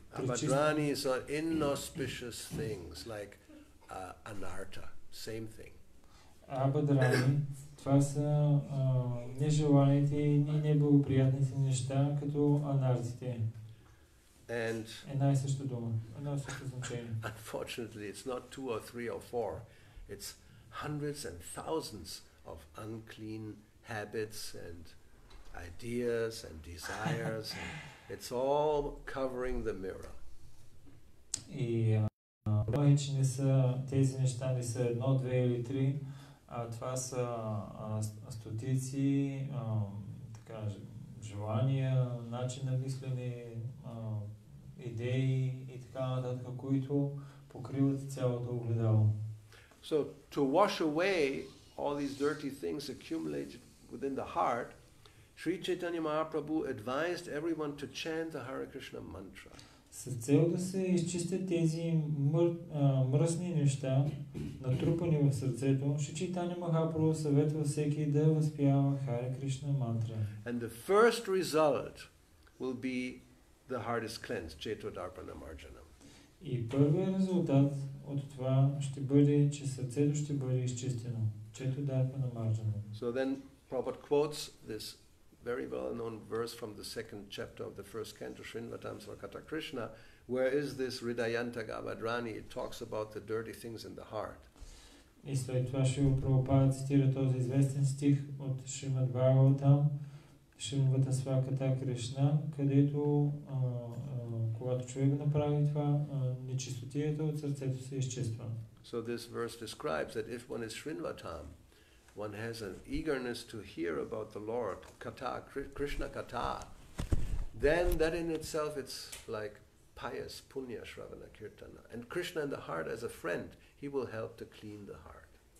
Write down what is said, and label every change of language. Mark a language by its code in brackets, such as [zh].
[en] Абадрани is on inauspicious things like анарта. Same thing. Абадрани. [bg] Това са нежеланите и неблагоприятните неща, като анарците. Една и съща дума, едно и съща значение. [en] Unfortunately, it's not two or three or four. It's hundreds and thousands of unclean habits and ideas and desires. And it's all covering the mirror. [bg] И проблемы не са тези неща, не са едно, две или три, а това са стотици, така, желания, начин на мислене, идеи и така нататък, които покриват цялото огледало. [en] So to wash away all these dirty things accumulated within the heart, Sri Chaitanya Mahaprabhu advised everyone to chant the Hare Krishna mantra. [bg] С цел да се изчистят тези мръсни неща, натрупани в сърцето, Шри Чайтанья Махапрабху съветва всеки да възпява Хари Кришна мантра. [en] And the first result will be the heart is cleansed, Cheto Darpana Marjanam. [bg] И първият резултат от това ще бъде, че сърцето ще бъде изчистено, Cheto Darpana Marjanam. [en] So then Prabhupada quotes this very well-known verse from the second chapter of the first canto, Srinivatam Sarkata Krishna, where is this Ridayanta Gavadrani? It talks about the dirty things in the heart. [bg] И след това Шрива Прабхупада цитира този известен стих от Шримад Бхагаватам, Шримата Сваката Кришна, където когато човек направи това, нечистотията от сърцето се изчиства. [en] So this verse describes that if one is Srinivatam, one has an eagerness to hear about the Lord, Kata, Krishna Kata, then that in itself it's like pious Punya Shravana Kirtana. And Krishna in the heart as a friend, he will help to clean the heart.